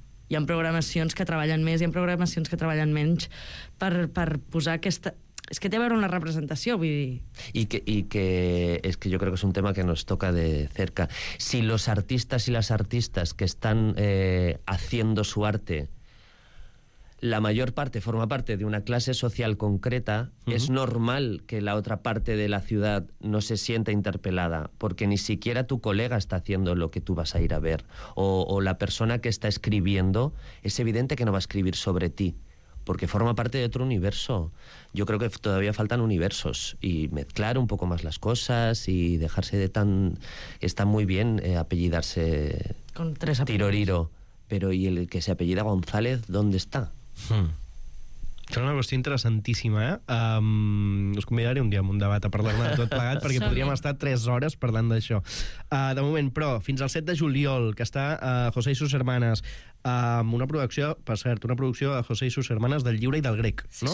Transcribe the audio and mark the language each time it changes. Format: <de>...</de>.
<ca>Hi ha programacions que treballen més, hi ha programacions que treballen menys per posar aquesta... És que té a veure una representació, vull dir. I que és que jo crec que és un tema que</ca> <es>nos toca de cerca. Si los artistas y las artistas que están haciendo su arte... La mayor parte forma parte de una clase social concreta. Uh-huh. Es normal que la otra parte de la ciudad no se sienta interpelada, porque ni siquiera tu colega está haciendo lo que tú vas a ir a ver. O la persona que está escribiendo, es evidente que no va a escribir sobre ti, porque forma parte de otro universo. Yo creo que todavía faltan universos, y mezclar un poco más las cosas y dejarse de tan... Está muy bien apellidarse... Con 3 apellidos. Tiroriro. Pero ¿y el que se apellida González, dónde está?</es> <ca>Hmm. És una qüestió interessantíssima, eh? Us convidaré un dia a un debat a parlar-ne de tot plegat, perquè podríem estar 3 hores parlant d'això. De moment, però, fins al 7 de juliol, que està José i sus hermanes, amb una producció, per cert, una producció de José i sus hermanes del Lliure i del Grec, no?</ca>